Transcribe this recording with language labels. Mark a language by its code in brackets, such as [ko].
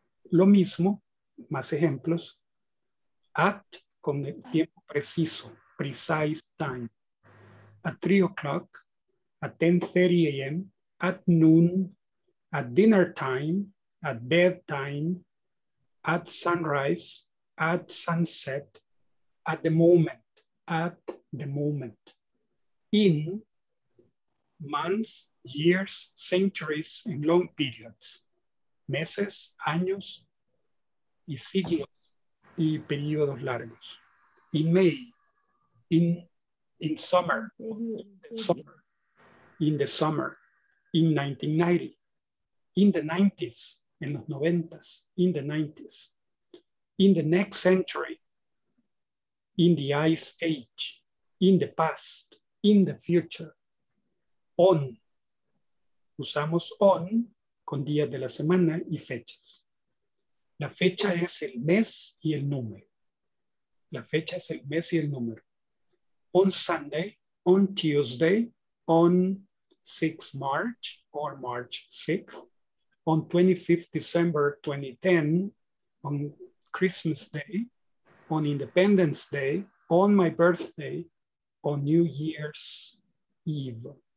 [es] Lo mismo, más ejemplos, at, con el tiempo preciso. [en] Precise time, at 3 o'clock, at 10:30 a.m., at noon, at dinner time, at bedtime, at sunrise, at sunset, at the moment, in months, years, centuries, and long periods, [es] meses, años, y siglos, y periodos largos, [en] in May, in summer, in the summer, in 1990, in the 90s, [es] en los 90s, [en] in the 90s, in the next century, in the ice age, in the past, in the future, on. [es] Usamos on con días de la semana y fechas. La fecha es el mes y el número. La fecha es el mes y el número. [en] On Sunday, on Tuesday, on 6 March or March 6th, on 25th December 2010, on Christmas Day, on Independence Day, on my birthday, on New Year's Eve.